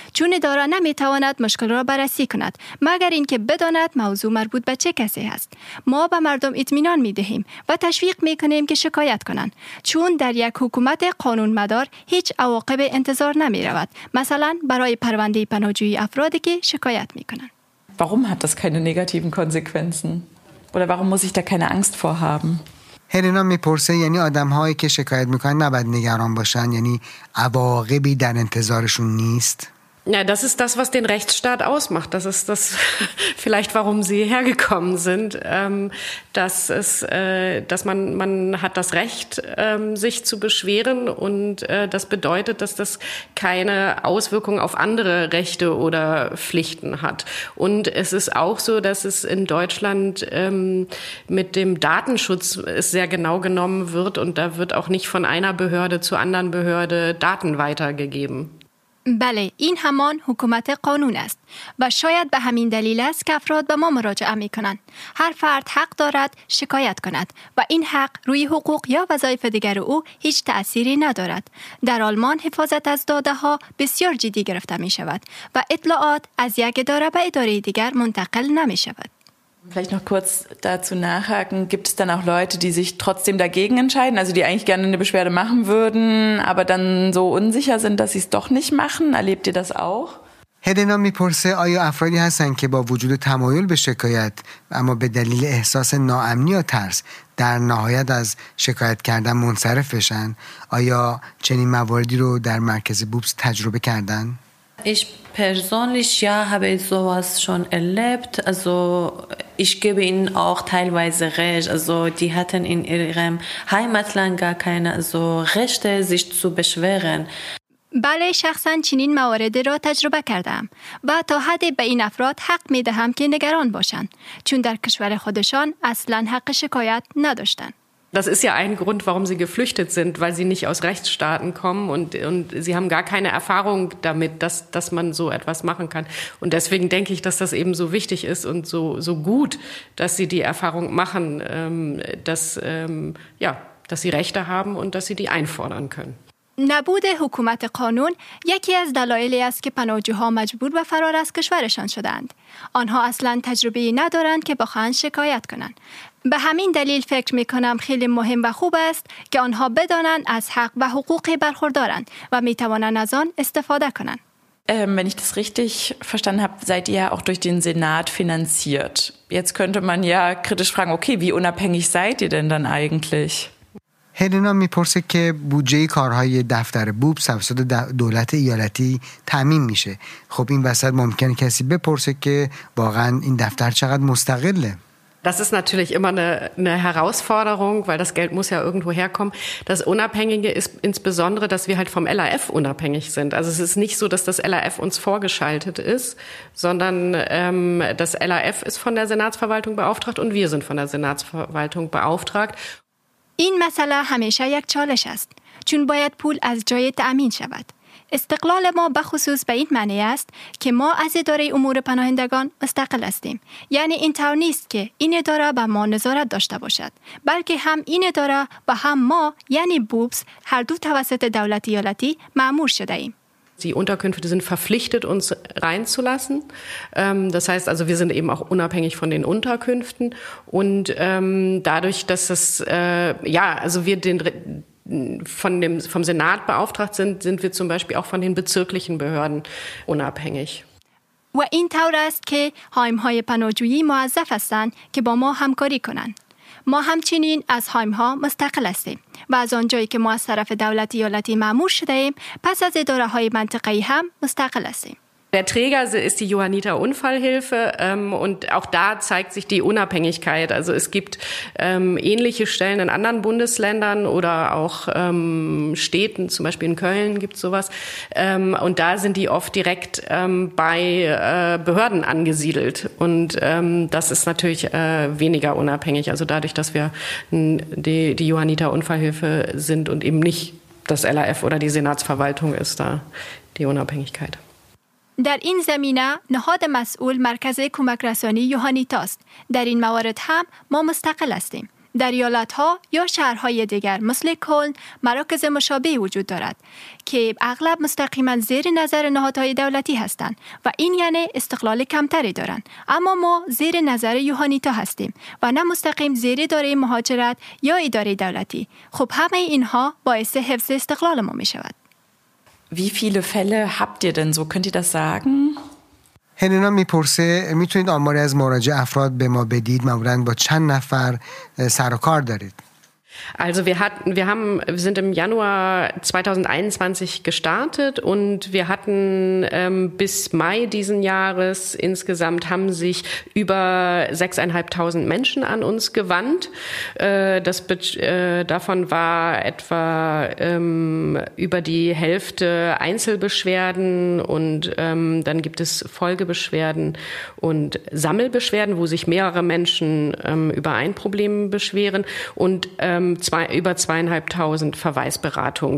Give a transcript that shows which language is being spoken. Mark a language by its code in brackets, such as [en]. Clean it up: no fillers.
[fa] چون اداره نمی تواند مشکل را بررسی کند، مگر اینکه بداند موضوع مربوط به چه کسی است. ما به مردم اطمینان می دهیم و تشویق می کنیم که شکایت کنند. چون در یک حکومت قانون مدار هیچ عواقب انتظار نمی رود. مثلا برای پرونده پناهجویی افرادی که شکایت می کنند. [de] Warum hat das keine negativen Konsequenzen? Oder warum muss ich da keine Angst vor haben? [fa] هلینا میپرسه یعنی آدم هایی که شکایت میکنن نباید نگران باشن، یعنی عواقبی در انتظارشون نیست؟ نه، [de] das ist das, was den Rechtsstaat ausmacht. Das ist das vielleicht, warum sie hergekommen sind. Das ist, dass man hat das Recht, sich zu beschweren und das bedeutet, dass das keine Auswirkung auf andere Rechte oder Pflichten hat. Und es ist auch so, dass es in Deutschland mit dem Datenschutz sehr genau genommen wird und da wird auch nicht von einer Behörde zur anderen Behörde Daten weitergegeben. [fa] بله، این همان حکومت قانون است و شاید به همین دلیل است که افراد به ما مراجعه می کنند. هر فرد حق دارد شکایت کند و این حق روی حقوق یا وظایف دیگر او هیچ تأثیری ندارد. در آلمان حفاظت از داده ها بسیار جدی گرفته می شود و اطلاعات از یک اداره به اداره دیگر منتقل نمی شود. [de] Vielleicht noch kurz dazu nachhaken. Gibt es dann auch Leute, die sich trotzdem dagegen entscheiden, also die eigentlich gerne eine Beschwerde machen würden, aber dann so unsicher sind, dass sie es doch nicht machen? Erlebt ihr das auch? [fa] هلینا میپرسه آیا افرادی هستن که با وجود تمایل به شکایت اما به دلیل احساس ناامنی و ترس در نهایت از شکایت کردن منصرف بشن؟ آیا چنین مواردی رو در مرکز بوبس تجربه کردن؟ [de] Ich persönlich ja habe sowas schon erlebt. Also ich gebe ihnen auch teilweise recht. Also die hatten in ihrem Heimatland gar keine so Rechte, sich zu beschweren. [fa] بله، شخصا چنین موارد را تجربه کردم و تا حد به این افراد حق می دهم که نگران باشند، چون در کشور خودشان اصلا حق شکایت نداشتند. [de] Das ist ja ein Grund, warum sie geflüchtet sind, weil sie nicht aus Rechtsstaaten kommen und sie haben gar keine Erfahrung damit, dass man so etwas machen kann. Und deswegen denke ich, dass das eben so wichtig ist und so gut, dass sie die Erfahrung machen, dass sie Rechte haben und dass sie die einfordern können. [fa] نبود حکومت قانون یکی از دلایلی است که پناهجوها مجبور به فرار از کشورشان شدند. آنها اصلا تجربه‌ای ندارند که بخواهند شکایت کنند. به همین دلیل فکر می‌کنم خیلی مهم و خوب است که آنها بدانند از حق و حقوق برخوردارند و می‌توانند از آن استفاده کنند. [de] Wenn ich das richtig verstanden habe, seid ihr ja auch durch den Senat finanziert. Jetzt könnte man ja kritisch fragen, okay, wie unabhängig seid ihr denn dann eigentlich? [fa] هلینا میپرسه که بودجه کارهای دفتر بوبس توسط دولت ایالتی تامین میشه. خب این وسط ممکنه کسی بپرسه که واقعا این دفتر چقدر مستقله؟ [de] Das ist natürlich immer eine Herausforderung, weil das Geld muss ja irgendwo herkommen. Das Unabhängige ist insbesondere, dass wir halt vom LAF unabhängig sind. Also es ist nicht so, dass das LAF uns vorgeschaltet ist, sondern das LAF ist von der Senatsverwaltung beauftragt und wir sind von der Senatsverwaltung beauftragt. [fa] این مسئله همیشه یک چالش است، چون باید پول از جای تأمین شود. استقلال ما بخصوص به این معنی است که ما از اداره امور پناهندگان مستقل هستیم. یعنی این طور نیست که این اداره به ما نظارت داشته باشد، بلکه هم این اداره و هم ما، یعنی بوبس، هر دو توسط دولت ایالتی مأمور شده ایم. [de] Die Unterkünfte sind verpflichtet, uns reinzulassen. Das heißt also, wir sind eben auch unabhängig von den Unterkünften. Und dadurch, dass das, ja, also wir den, vom Senat beauftragt sind, sind wir zum Beispiel auch von den bezirklichen Behörden unabhängig. [fa] و این طور است که هایم‌های پناهجویی موظف هستند که با ما همکاری کنند. ما همچنین از هایم‌ها مستقل هستیم و از آنجایی که ما از طرف دولت ایالتی مأمور شده‌ایم، پس از اداره‌های منطقه‌ای هم مستقل هستیم. [de] Der Träger ist die Johanniter Unfallhilfe und auch da zeigt sich die Unabhängigkeit. Also es gibt ähnliche Stellen in anderen Bundesländern oder auch Städten, zum Beispiel in Köln gibt es sowas. Und da sind die oft direkt bei Behörden angesiedelt und das ist natürlich weniger unabhängig. Also dadurch, dass wir die Johanniter Unfallhilfe sind und eben nicht das LAF oder die Senatsverwaltung ist da die Unabhängigkeit. [fa] در این زمینه نهاد مسئول مرکز کمک رسانی یوهانیتا است. در این موارد هم ما مستقل هستیم. در ایالت‌ها یا شهرهای دیگر مثل کلن مراکز مشابه وجود دارد که اغلب مستقیما زیر نظر نهادهای دولتی هستند و این یعنی استقلال کمتری دارند. اما ما زیر نظر یوهانیتا هستیم و نه مستقیم زیر اداره مهاجرت یا اداره دولتی. خب همه اینها باعث حفظ استقلال ما می شود. [de] Wie viele Fälle habt ihr denn so? Könnt ihr das sagen? [fa] Helena میپرسه میتونید آماری از مراجع افراد به ما بدید معمولاً با چند نفر سر و کار دارید؟ [de] Also wir sind im Januar 2021 gestartet und wir hatten bis Mai diesen Jahres insgesamt haben sich über 6.500 Menschen an uns gewandt. Davon war etwa über die Hälfte Einzelbeschwerden und dann gibt es Folgebeschwerden und Sammelbeschwerden, wo sich mehrere Menschen über ein Problem beschweren und über 2.500 Verweisberatungen.